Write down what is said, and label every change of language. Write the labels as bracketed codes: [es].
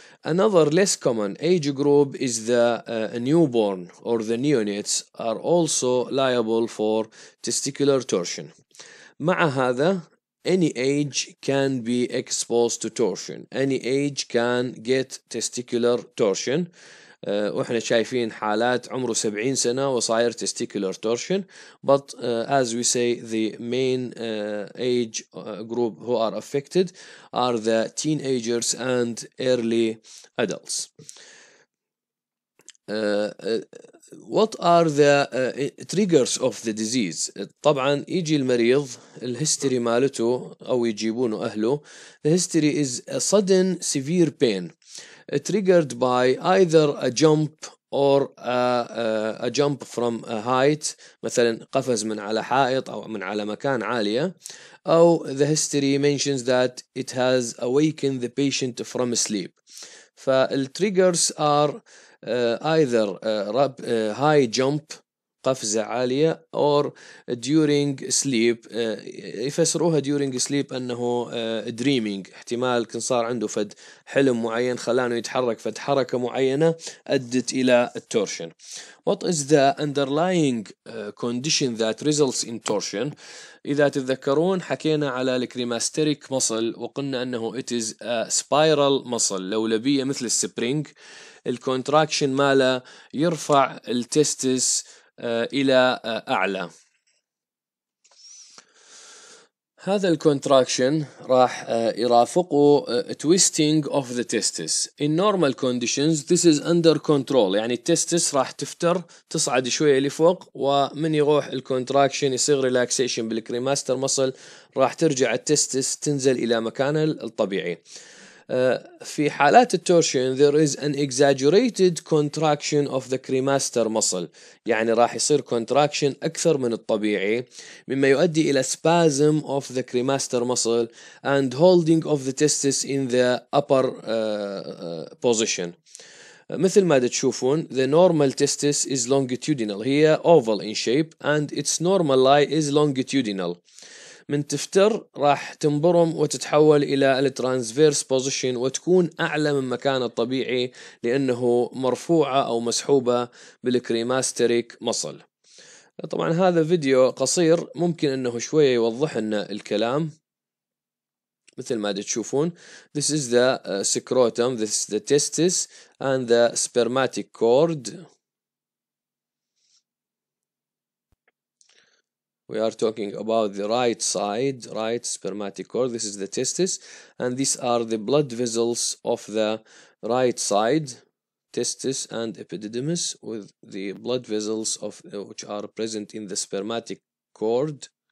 [en] Another less common age group is the newborn or the neonates are also liable for testicular torsion. [ar] مع هذا, [en] any age can be exposed to torsion. Any age can get testicular torsion. [ar] وإحنا شايفين حالات عمره 70 سنة وصاير testicular torsion. [en] But as we say, the main age group who are affected are the teenagers and early adults. What are the triggers of the disease? [ar] طبعا يجي المريض الهيستوري مالته أو يجيبونه أهله. [en] The history is a sudden severe pain triggered by either a jump or a jump from a height, [ar] مثلا قفز من على حائط أو من على مكان عالية. [en] أو the history mentions that it has awakened the patient from sleep. فالtriggers are either high jump [ar] قفزة عالية [en] or during sleep. [ar] يفسروها [en] during sleep [ar] أنه dreaming, احتمال كان صار عنده فد حلم معين خلانه يتحرك فد حركة معينة أدت إلى التورشن. [en] What is the underlying condition that results in torsion? [ar] إذا تتذكرون حكينا على الكريماستيريك مصل وقلنا أنه [en] it is a spiral muscle, [ar] لولبية مثل السبرينج. الكونتراكشن ماله يرفع التستس إلى أعلى. [en] هذا الكونتراكشن [ar] راح يرافقه [en] twisting of the testis. In normal conditions this is under control, [ar] يعني التستس راح تفتر تصعد شوية لفوق, ومن يروح الكونتراكشن يصير relaxation بالكريماستر مصل راح ترجع التستس تنزل إلى مكانها الطبيعي. في حالات التورشن [en] there is an exaggerated contraction of the cremaster muscle, [ar] يعني راح يصير [en] contraction أكثر من الطبيعي, [ar] مما يؤدي إلى [en] spasm of the cremaster muscle and holding of the testis in the upper position. [ar] مثل ما تشوفون [en] the normal testis is longitudinal, هي oval in shape and its normal lie is longitudinal. [ar] من تفتر راح تنبرم وتتحول إلى الترانسفيرس بوزيشن وتكون أعلى من مكان الطبيعي لأنه مرفوعة أو مسحوبة بالكريماستريك مصل. طبعا هذا فيديو قصير ممكن أنه شوية يوضح لنا الكلام, مثل ما تشوفون. [en] This is the scrotum, this is the testis and the spermatic cord. We are talking about the right side, right spermatic cord. This is the testis and these are the blood vessels of the right side, testis and epididymis, with the blood vessels of which are present in the spermatic cord.